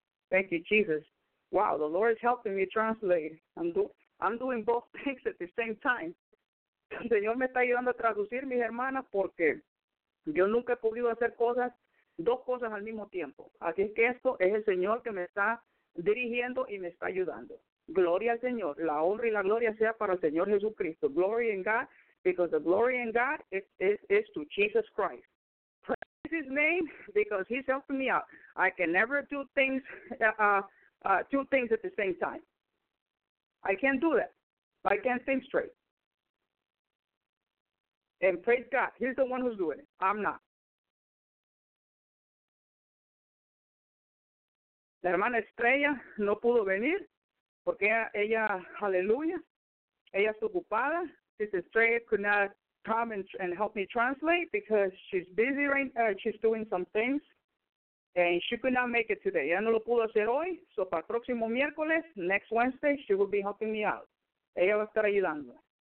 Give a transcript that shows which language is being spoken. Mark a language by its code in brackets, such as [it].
[en] Thank you, Jesus. Wow, the Lord is helping me translate. I'm doing both things at the same time. [es] El Señor me está ayudando a traducir, mis hermanas, porque yo nunca he podido hacer cosas, dos cosas al mismo tiempo. Así es que esto es el Señor que me está dirigiendo y me está ayudando. Gloria al Señor. La honra y la gloria sea para el Señor Jesucristo. [en] Glory in God, because the glory in God is to Jesus Christ. Praise his name, because he's helping me out. I can never do things, two things at the same time. I can't do that. I can't think straight. And praise God, he's the one who's doing it. I'm not. [es] La hermana Estrella no pudo venir porque ella, aleluya, ella está ocupada. [en] This Estrella could not come and help me translate because she's busy, she's doing some things. And she could not make it today. [es] Ella no lo pudo hacer hoy. So para el próximo miércoles, [en] next Wednesday, she will be helping me out. [es] Ella va a estar ayudando.